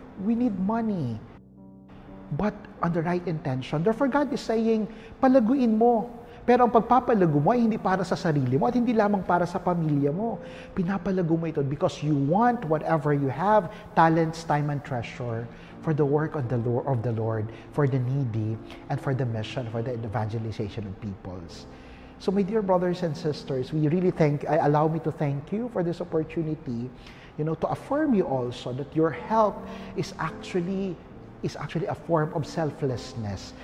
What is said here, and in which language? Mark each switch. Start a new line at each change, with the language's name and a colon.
English: We need money, but on the right intention. Therefore, God is saying,
Filipino: palaguin mo. Pero ang pagpapalago mo ay hindi para sa sarili mo at hindi lamang para sa pamilya mo. Pinapalago mo ito
English: because you want whatever you have, talents, time, and treasure for the work of the Lord, for the needy, and for the mission, for the evangelization of peoples. So my dear brothers and sisters, allow me to thank you for this opportunity, you know, to affirm you also that your help is actually a form of selflessness.